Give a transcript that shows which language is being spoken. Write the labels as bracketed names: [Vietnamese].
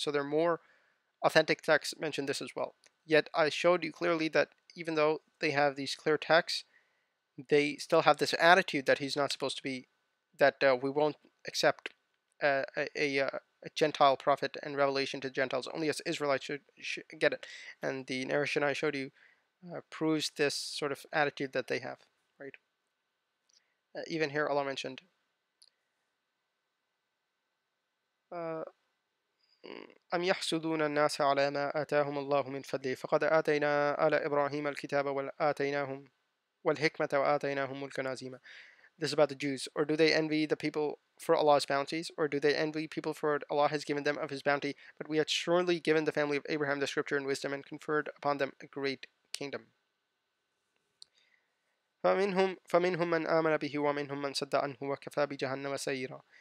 [English] So there are more authentic texts mention this as well. Yet I showed you clearly that even though they have these clear texts, they still have this attitude that he's not supposed to be, that we won't accept a Gentile prophet and revelation to Gentiles. Only us Israelites should get it. And the narration I showed you proves this sort of attitude that they have, right? Even here, Allah mentioned, [Arabic] أم يحسدون الناس على ما آتاهم الله من فضله فقد آتينا آل إبراهيم الكتاب وآتيناهم والحكمة وآتيناهم ملكا عظيما. [English] This is about the Jews. Or do they envy the people for Allah's bounties? Or do they envy people for what Allah has given them of His bounty? But we had surely given the family of Abraham the scripture and wisdom and conferred upon them a great kingdom. [Arabic] فَمِنْهُمْ مَنْ آمَنَ بِهِ وَمِنْهُمْ مَنْ صَدَّ عَنْهُ وَكَفَى بِجَهَنَّمَ سَيِّرًا.